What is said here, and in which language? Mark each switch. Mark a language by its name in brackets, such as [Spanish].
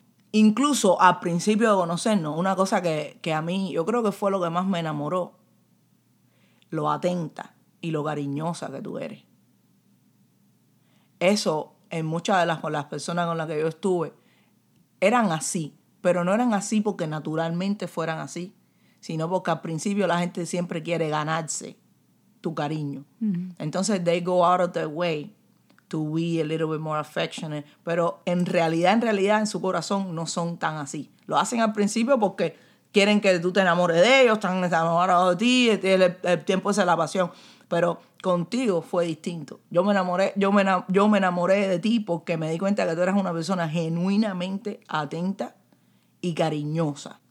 [Spanish] Incluso al principio de conocernos, una cosa que a mí, yo creo que fue lo que más me enamoró, lo atenta y lo cariñosa que tú eres. Eso, en muchas de las personas con las que yo estuve, eran así, pero no eran así porque naturalmente fueran así, sino porque al principio la gente siempre quiere ganarse tu cariño. Mm-hmm. [English] Entonces, they go out of their way to be a little bit more affectionate. [Spanish] Pero en realidad, en su corazón, no son tan así. Lo hacen al principio porque quieren que tú te enamores de ellos, están enamorados de ti, el tiempo es la pasión. Pero contigo fue distinto. Yo me enamoré de ti porque me di cuenta que tú eras una persona genuinamente atenta y cariñosa.